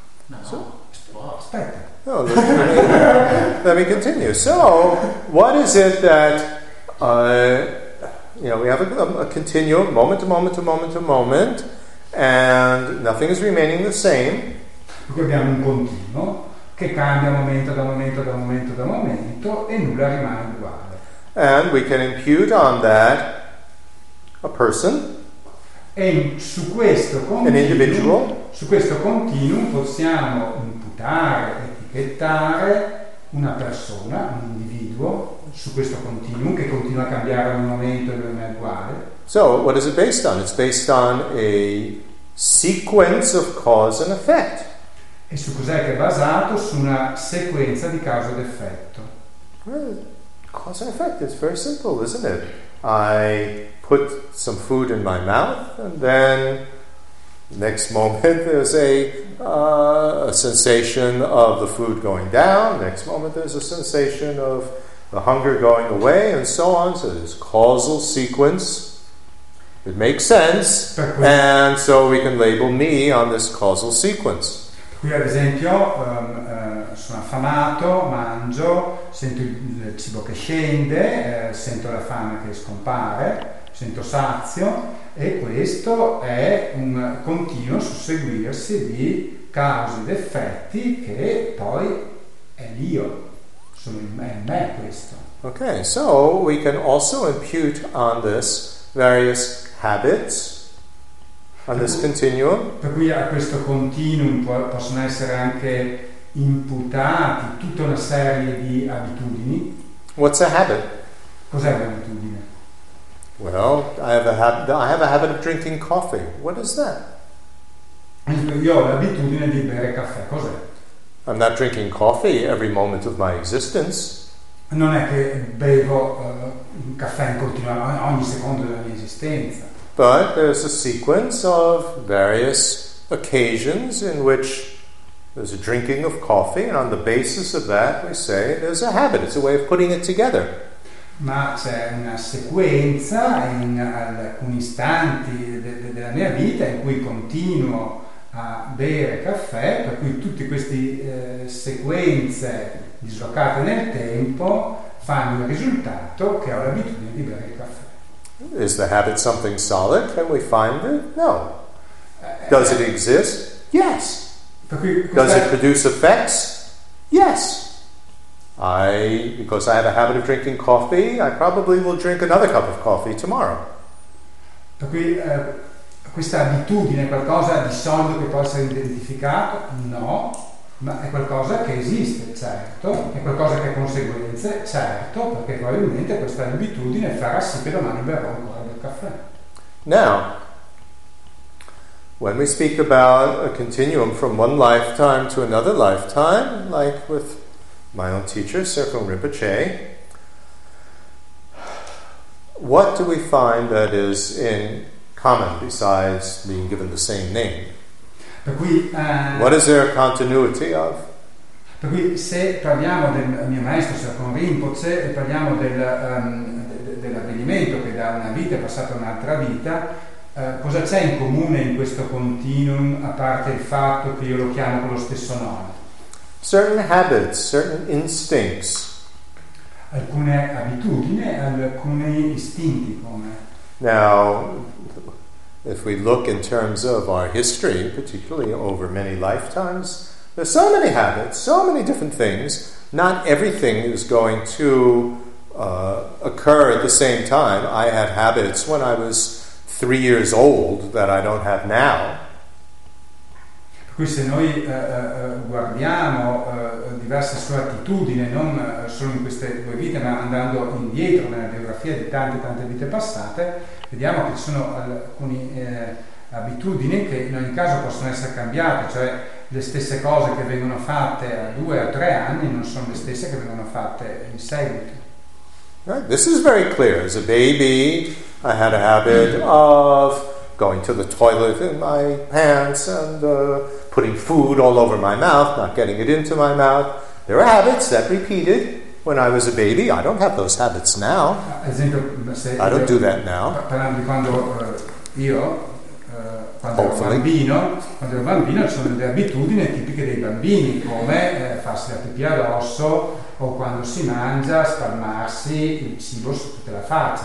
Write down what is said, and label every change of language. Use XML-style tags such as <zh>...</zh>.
<en>No.</en> <it>Aspetta.</it> <en>No, let me continue. So, what is it that, we have a continuum, moment to moment to moment to moment, and nothing is remaining the same.</en> <it>Perché abbiamo un continuo che cambia momento da momento da momento da momento e nulla rimane uguale.</it> <en>And we can impute on that a person.</en> <it>E su questo continuo,</it> <en>an individual.</en> <it>Su questo continuum possiamo imputare, etichettare una persona, un individuo su questo continuum che continua a cambiare ogni momento e non è uguale.</it> <en>So, what is it based on? It's based on a sequence of cause and effect.</en> <it>E su cos'è che è basato? Su una sequenza di causa ed effetto.</it> <en>Cause and effect, it's very simple, isn't it? I put some food in my mouth, and then next moment there's a sensation of the food going down, next moment there's a sensation of the hunger going away, and so on. So there's causal sequence. It makes sense, and so we can label me on this causal sequence.</en> <it>Qui ad esempio sono affamato, mangio, sento il cibo che scende, sento la fame che scompare, sento sazio, e questo è un continuo susseguirsi di cause ed effetti che poi è l'io, è me questo.</it> <en>Okay, so we can also impute on this various habits on this continuum.</en> <it>Per cui a questo continuum possono essere anche imputati tutta una serie di abitudini.</it> <en>What's a habit?</en> <it>Cos'è un'abitudine?</it> <en>Well, I have a habit of drinking coffee. What is that?</en> <it>Io ho l'abitudine di bere caffè. Cos'è?</it> <en>I'm not drinking coffee every moment of my existence.</en> <it>Non è che bevo caffè in continuo ogni secondo della mia esistenza.</it> <en>But there's a sequence of various occasions in which there's a drinking of coffee, and on the basis of that we say there's a habit, it's a way of putting it together.</en> <it>Ma c'è una sequenza in alcuni istanti della mia vita in cui continuo a bere caffè, per cui tutte queste sequenze dislocate nel tempo fanno il risultato che ho l'abitudine di bere il caffè.</it> <en>Is the habit something solid? Can we find it? No. Does it exist? Yes.</en> <it>Per cui,</it> <en>does it produce effects? Yes. Because I have a habit of drinking coffee, I probably will drink another cup of coffee tomorrow.</en> <it>Per cui, questa abitudine è qualcosa di solido che può essere identificato? No, ma è qualcosa che esiste, certo, è qualcosa che ha conseguenze, certo, perché probabilmente questa abitudine farà sì che domani berrò ancora del caffè.</it> <en>Now, when we speak about a continuum from one lifetime to another lifetime, like with my own teacher, Serpong Rinpoche, what do we find that is in common besides being given the same name?</en> <it>Per cui,</it> <en>what is there a continuity of?</en> <it>Per cui se parliamo del mio maestro Serpong Rinpoche e parliamo dell'avvenimento che da una vita è passata un'altra vita, cosa c'è in comune in questo continuum a parte il fatto che io lo chiamo con lo stesso nome?</it> <en>Certain habits, certain instincts.</en> <it>Alcune abitudini, alcuni istinti come.</it> <en>Now, if we look in terms of our history, particularly over many lifetimes, there's so many habits, so many different things. Not everything is going to occur at the same time. I had habits when I was 3 years old that I don't have now.</en> <it>Qui se noi guardiamo diverse sue attitudini, non solo in queste due vite, ma andando indietro nella biografia di tante tante vite passate, vediamo che ci sono alcune abitudini che in ogni caso possono essere cambiate, cioè le stesse cose che vengono fatte a 2 o 3 anni non sono le stesse che vengono fatte in seguito.</it> <en>Right. This is very clear. As a baby, I had a habit of going to the toilet in my pants and putting food all over my mouth, not getting it into my mouth. There are habits that repeated when I was a baby. I don't have those habits now. I don't do that now.</en> <it>Parlando di quando quando ero bambino, ci sono delle abitudini tipiche dei bambini, come farsi la pipì addosso o quando si mangia spalmarsi il cibo su tutta la faccia.</it>